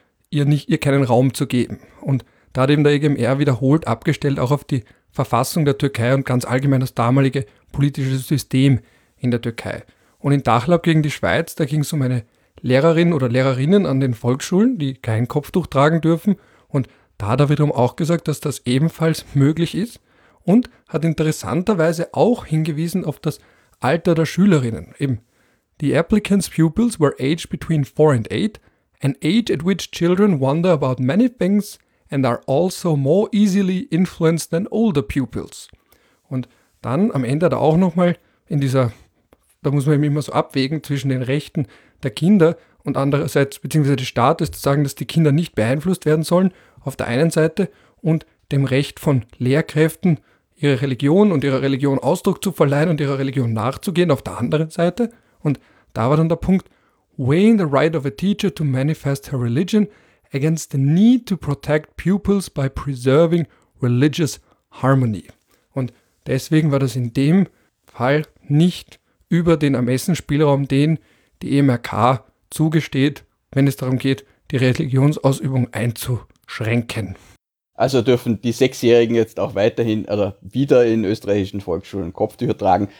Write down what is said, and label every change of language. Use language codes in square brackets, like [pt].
[de] ihr keinen Raum zu geben. Und da hat eben der EGMR wiederholt abgestellt, auch auf die Verfassung der Türkei und ganz allgemein das damalige politische System in der Türkei. Und in Dachlab gegen die Schweiz, da ging es um eine Lehrerin oder Lehrerinnen an den Volksschulen, die kein Kopftuch tragen dürfen. Und da hat er wiederum auch gesagt, dass das ebenfalls möglich ist und hat interessanterweise auch hingewiesen auf das Alter der Schülerinnen. Eben, [en] the applicant's pupils were aged between 4 and 8, an age at which children wonder about many things and are also more easily influenced than older pupils. [de] Und dann am Ende hat er auch nochmal in dieser, da muss man eben immer so abwägen zwischen den Rechten der Kinder und andererseits, beziehungsweise des Staates, zu sagen, dass die Kinder nicht beeinflusst werden sollen, auf der einen Seite, und dem Recht von Lehrkräften, ihre Religion und ihrer Religion Ausdruck zu verleihen und ihrer Religion nachzugehen, auf der anderen Seite. Und da war dann der Punkt, [en] weighing the right of a teacher to manifest her religion against the need to protect pupils by preserving religious harmony. [de] Und deswegen war das in dem Fall nicht über den Ermessensspielraum, den die EMRK zugesteht, wenn es darum geht, die Religionsausübung einzuschränken. Also dürfen die Sechsjährigen jetzt auch weiterhin oder wieder in österreichischen Volksschulen Kopftücher tragen?